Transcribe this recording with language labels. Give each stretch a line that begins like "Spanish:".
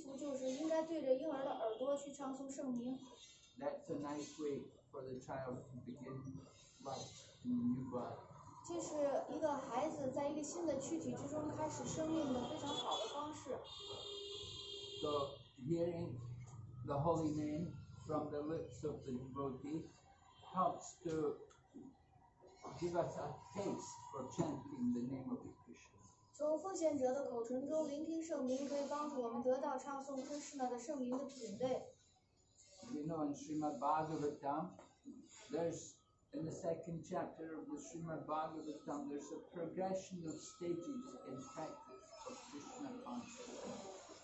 Chinese: 当一个婴儿出生了之后，习俗就是应该对着婴儿的耳朵去唱诵圣名。
English: That's a nice way for the child to begin life in the new body.
Chinese: 这是一个孩子在一个新的躯体之中开始生命的非常好的方式。
English: So hearing the holy name from the lips of the devotee helps to give us a taste for chanting the name of Krishna.
Chinese: 从奉献者的口唇中聆听圣名，可以帮助我们得到唱诵Krishna的圣名的品味。
English: You know, in Srimad Bhagavatam, there's in the second chapter of the Srimad Bhagavatam, there's a progression of stages in practice of Krishna consciousness.